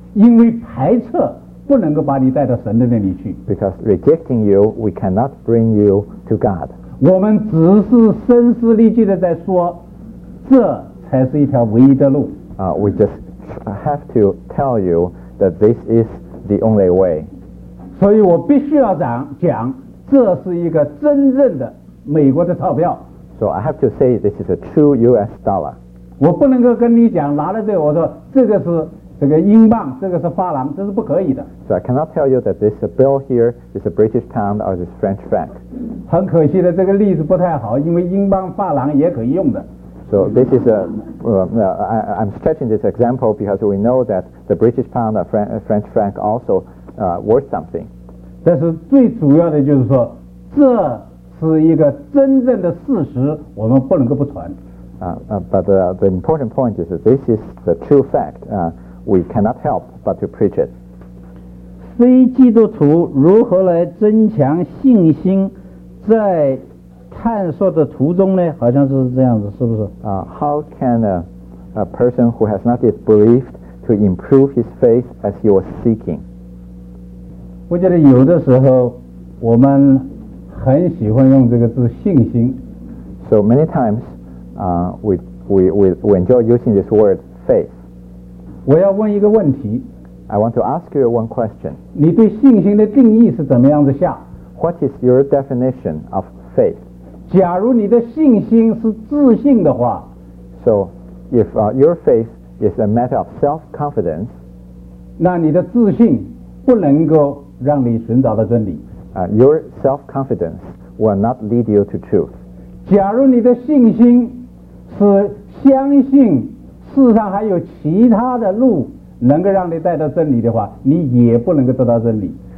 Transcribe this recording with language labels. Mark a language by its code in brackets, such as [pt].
[zh] 因为排斥不能够把你带到神的那里去。 [en] Because rejecting you, we cannot bring you to God. [zh] 我们只是声嘶力竭的在说，这才是一条唯一的路。 [en] We just have to tell you that this is the only way. [zh] 所以我必须要讲这是一个真正的美国的钞票。 [en] So I have to say this is a true US dollar. [zh] 我不能够跟你讲拿了这个我说这个是这个英镑这个是法郎这是不可以的。 [en] So I cannot tell you that this bill here is a British pound or this French franc. [zh] 很可惜的这个例子不太好因为英镑法郎也可以用的。 [en] So this is a, I'm stretching this example because we know that the British pound or French franc also worth something. [zh] 但是最主要的就是说这是一个真正的事实我们不能够不传。 [en] But the important point is that this is the true fact. We cannot help but to preach it. [zh] 非基督徒如何来增强信心在探索的途中呢好像是这样子是不是、 [en] How can a person who has not yet believed to improve his faith as he was seeking? [zh] 我觉得有的时候我们很喜欢用这个字信心 [en] So many times、we enjoy using this word faith. [zh] 我要问一个问题 [en] I want to ask you one question [zh] 你对信心的定义是怎么样子下 [en] What is your definition of faith? [zh] 假如你的信心是自信的话 [en] So if your faith is a matter of self-confidence [zh] 那你的自信不能够让你寻找到真理 [en] Your self-confidence will not lead you to truth [zh] 假如你的信心是相信世上还有其他的路能够让你带到真理的话你也不能够得到真理